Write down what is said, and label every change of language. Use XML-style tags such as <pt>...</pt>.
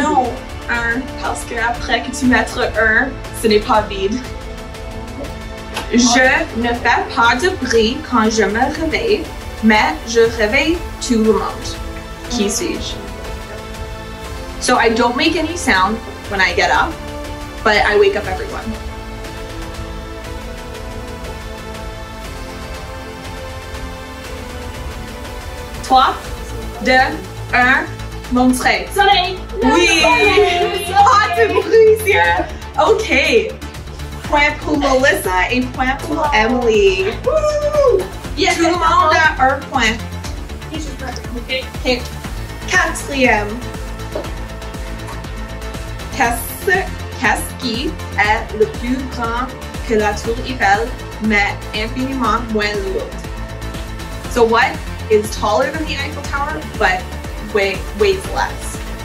<fr>non, 1, parce qu'après que tu mettes 1, ce n'est pas vide. Je ne fais pas de bruit quand je me réveille, mais je réveille tout le monde. Qui suis-je?</fr> <en>So I don't make any sound when I get up, but I wake up everyone.</en> <fr>Trois, deux, un, montrez. Soleil! Oui! Pas de bruit, yeah. OK. Point pour Melissa et point pour Emily. Yes, tout le monde a un point. Okay. Quatrième. Qu'est-ce qui est le plus grand que la tour Eiffel, mais infiniment moins lourd?</fr> <en>So what is taller than the Eiffel Tower, but weighs less?</en>